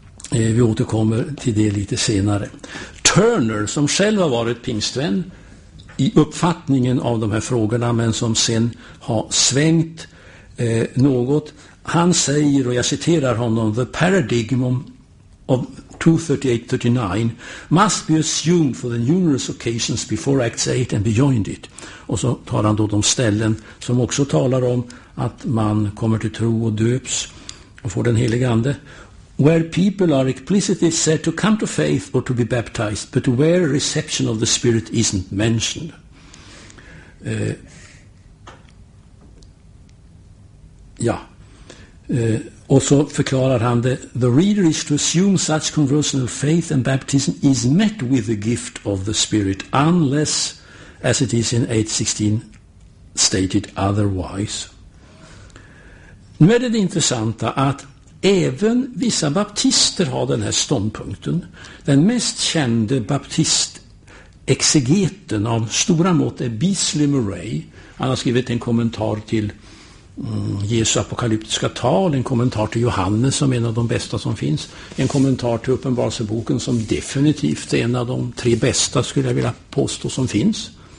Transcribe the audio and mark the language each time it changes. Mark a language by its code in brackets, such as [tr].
[sv] Och vi återkommer till det lite senare. Turner, som själv har varit pingstvän i uppfattningen av de här frågorna, men som sen har svängt något, han säger, och jag citerar honom: [en] "The paradigm of 238-39 must be assumed for the numerous occasions before Acts 8 and beyond it." [sv] Och så tar han då de ställen som också talar om att man kommer till tro och döps och får den heliga ande, [en] where people are explicitly said to come to faith or to be baptized, but where reception of the Spirit isn't mentioned. [sv] Also förklarar han det, [en] the reader is to assume such conversional faith and baptism is met with the gift of the Spirit, unless, as it is in 8:16, stated otherwise. [sv] Nu är det intressanta att även vissa baptister har den här ståndpunkten. Den mest kände baptistexegeten av stora mått är Beasley Murray. Han har skrivit en kommentar till Jesu apokalyptiska tal, en kommentar till Johannes som en av de bästa som finns, en kommentar till Uppenbarelseboken som definitivt är en av de tre bästa, skulle jag vilja påstå, som finns.